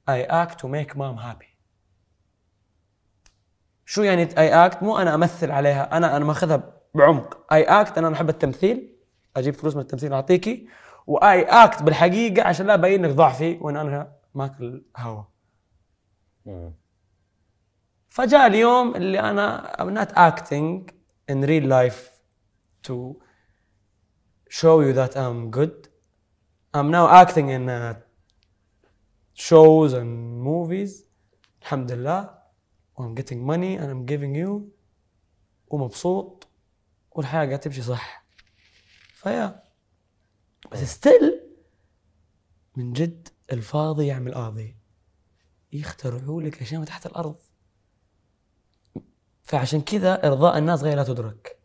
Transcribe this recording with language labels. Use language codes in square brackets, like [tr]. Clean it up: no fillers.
[en] I act to make mom happy. [ar] شو يعني [en] I act؟ [ar] مو انا امثل عليها، انا ماخذها بعمق. [en] I act [ar] انا احب التمثيل، اجيب فلوس من التمثيل اعطيكي، و I act بالحقيقه عشان لا ابين انك ضعفي وان انا ماكل هوا. فجاء اليوم اللي انا [en] not acting in real life to show you that I'm good. I'm now acting in shows and movies. Alhamdulillah. I'm getting money and I'm giving you. [ar] ومبسوط والحياة قاعدة تمشي صح. فيا بس ستيل من جد الفاضي يعمل قاضي. يخترعوا لك اشياء تحت الارض. فعشان كذا ارضاء الناس غير لا تدرك.